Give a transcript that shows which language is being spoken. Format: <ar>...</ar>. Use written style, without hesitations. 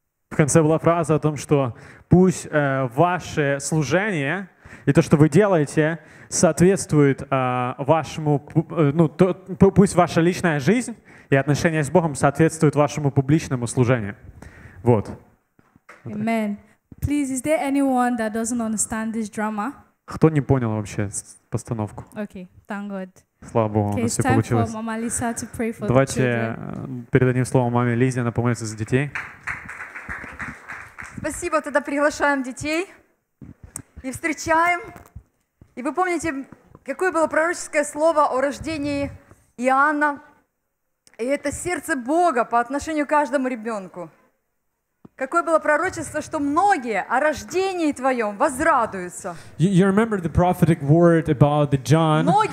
<ru>конце была фраза о том, что пусть ваше служение и то, что вы делаете, соответствует вашему, ну, то, пусть ваша личная жизнь и отношения с Богом соответствуют вашему публичному служению. Вот.</ru> <en>Amen. Please, is there anyone that doesn't understand this drama?</en> <ru>Кто не понял вообще постановку?</ru> <en>Okay, thank God.</en> <ru>Слава Богу,</ru> <en>okay,</en> <ru>у нас все получилось.</ru> <en>For Mama Lisa to pray for</en> <ru>Давайте</ru> <en>the</en> <ru>передадим слово маме Лизе, она помолится за детей. Спасибо, тогда приглашаем детей и встречаем. И вы помните, какое было пророческое слово о рождении Иоанна? И это сердце Бога по отношению к каждому ребенку. Какое было пророчество, что многие о рождении твоем возрадуются.</ru> <en>You remember the prophetic word about the John</en>